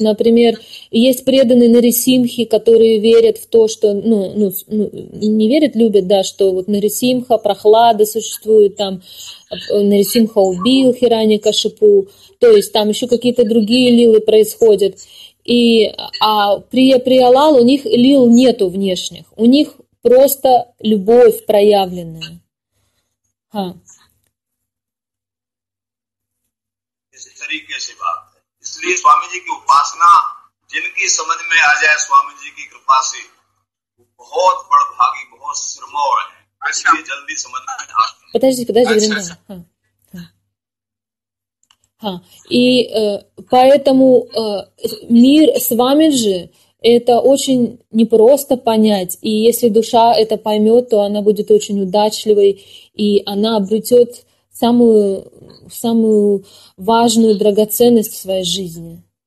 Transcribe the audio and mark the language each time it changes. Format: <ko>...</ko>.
<ru>Например, есть преданные Нарисимхи, которые верят в то, что, не верят, любят, да, что вот Нарисимха, Прохлада существует, там Нарисимха убил Хираньякашипу, то есть там еще какие-то другие лилы происходят. А Прия-Приалал, у них лил нету внешних, у них просто любовь проявленная.</ru> <hi>तरीके से बात है इसलिए स्वामी जी की उपासना जिनकी समझ में आ जाए स्वामी जी की कृपा से बहुत बड़ भागी बहुत सिरमौर है इसलिए जल्दी समझ में आ पता जी अच्छा,</hi> <ru>И поэтому мир Свамиджи это очень непросто понять. И если душа это поймет, то она будет очень удачливой, и она обретет самую, самую важную драгоценность в своей жизни.</ru>